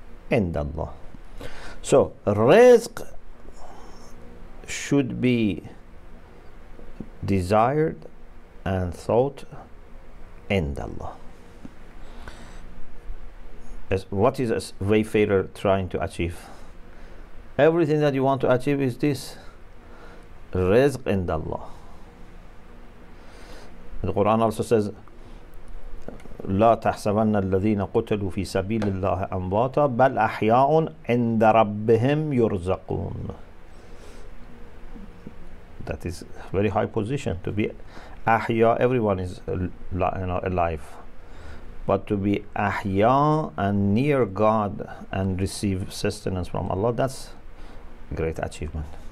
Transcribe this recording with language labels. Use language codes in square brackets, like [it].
[ar] عند الله. [en] So رزق should be desired and thought عند الله. As what is a wayfarer trying to achieve? Everything that you want to achieve is this rizq in Allah. The Quran also says [ar] لا تحسبن الذين قتلوا في سبيل الله أمواتا بل أحياء عند ربهم يرزقون. [en] That is very high position to be ahya. Everyone is alive. But to be ahya and near God and receive sustenance from Allah, that's a great achievement.